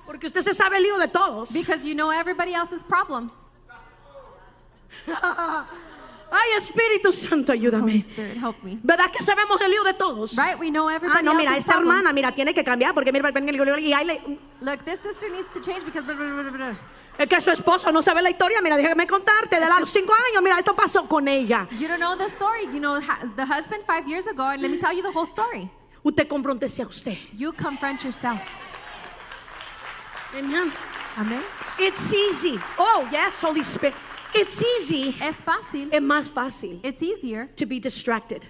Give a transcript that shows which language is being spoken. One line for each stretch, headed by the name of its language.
Spanish: Porque usted se sabe el lío de todos.
English: Because you know everybody else's problems.
Spanish: Ay, Espíritu Santo, ayúdame.
English: Holy Spirit, help me.
Spanish: ¿Verdad que sabemos el lío de todos?
English: Right, we know everybody.
Spanish: Ah, no, mira, esta
English: problems.
Spanish: Hermana, mira, tiene que cambiar porque mira, ven, y ahí le...
English: Look, this sister needs to change because blah, blah, blah, blah.
Spanish: Es que su esposo no sabe la historia. Mira, déjame contarte. De los 5 años, mira, esto pasó con ella.
English: You don't know the story. You know the husband 5 years ago. And let me tell you the whole story.
Spanish: Usted confróntese a usted.
English: You confront yourself. Amen. Amen. It's easy. Oh, yes, Holy Spirit. It's easy.
Spanish: Es fácil. Es más fácil.
English: It's easier. To be distracted.